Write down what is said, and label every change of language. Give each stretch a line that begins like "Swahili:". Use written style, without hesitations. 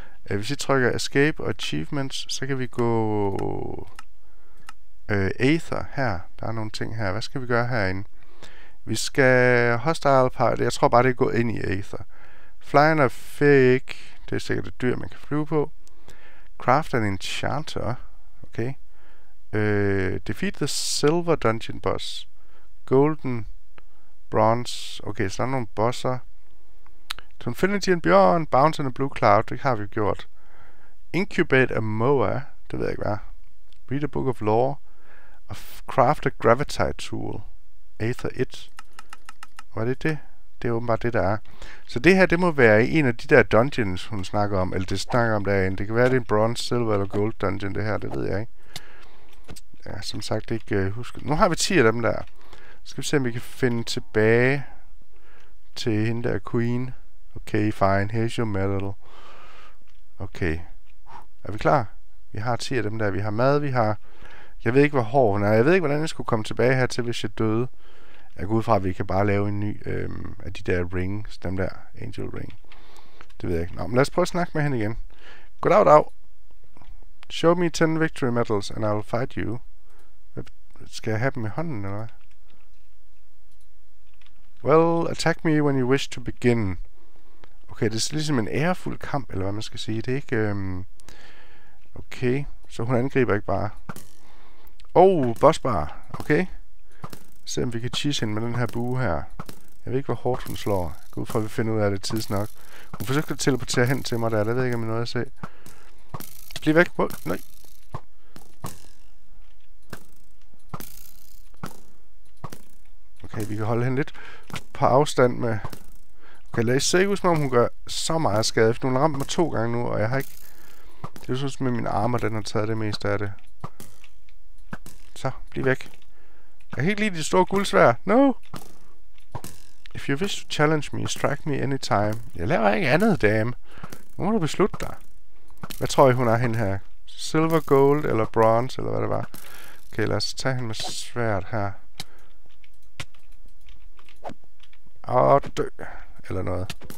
Danish: Hvis jeg trykker escape og achievements, så kan vi gå... Aether her. Der er nogle ting her. Hvad skal vi gøre herinde? Vi skal...
English: hostile pirate.
Danish: Jeg tror bare, det er gå ind i Aether.
English: Flying a fake.
Danish: Det er sikkert et dyr, man kan flyve på.
English: Craft an enchanter. Okay. Defeat the silver dungeon boss. Golden... bronze.
Danish: Okay, så der er nogle bosser.
English: To Infinity and Beyond. Bounce in a blue cloud.
Danish: Det har vi gjort.
English: Incubate a moa.
Danish: Det ved jeg ikke hvad.
English: Read a book of lore. Og craft a gravity tool. Aether 1.
Danish: Hvad er det det? Det er åbenbart det, der er. Så det her, det må være en af de der dungeons, hun snakker om. Eller det snakker om derinde. Det kan være, det er en bronze, silver eller gold dungeon, det her. Det ved jeg ikke. Ja, som sagt, det ikke husket. Nu har vi 10 af dem der. Skal vi se, om vi kan finde tilbage til hende der, queen.
English: Okay, fine. Here's your medal. Okay.
Danish: Er vi klar? Vi har 10 af dem der. Vi har mad, vi har... Jeg ved ikke, hvor hård hun er. Jeg ved ikke, hvordan jeg skulle komme tilbage her til, hvis jeg døde. Jeg går ud fra, at vi kan bare lave en ny af de der rings. Dem der. Angel ring. Det ved jeg ikke. Nå, men lad os prøve at snakke med hende igen. Goddag, dag.
English: Show me 10 victory medals, and I'll fight you.
Danish: Skal jeg have dem i hånden, eller hvad?
English: Well, attack me when you wish to begin.
Danish: Okay, det er ligesom en ærefuld kamp, eller hvad man skal sige. Det er ikke... Okay, så hun angriber ikke bare. Oh, bossbar. Okay. Se om vi kan cheese hende med den her bue her. Jeg ved ikke, hvor hårdt hun slår. Jeg går ud fra, at vi finder ud af det tidsnok. Hun forsøgte at teleportere hen til mig der. Det ved jeg ikke, om jeg er noget at se. Bliv væk. Oh, nej. Okay, vi kan holde hende lidt på afstand med... Okay, lad os se ud, som om hun gør så meget skade, for hun har ramt mig 2 gange nu, og jeg har ikke... Det er jo sådan, at min arme, den har taget det meste af det. Så, bliv væk. Jeg er helt lige de store guldsvær.
English: No! If you wish to challenge me, strike me anytime.
Danish: Jeg laver ikke andet, dame. Nu må du beslutte dig. Hvad tror I, hun er hende her? Silver, gold eller bronze, eller hvad det var? Okay, lad os tage hende med sværd her. Og dø. Eller noget.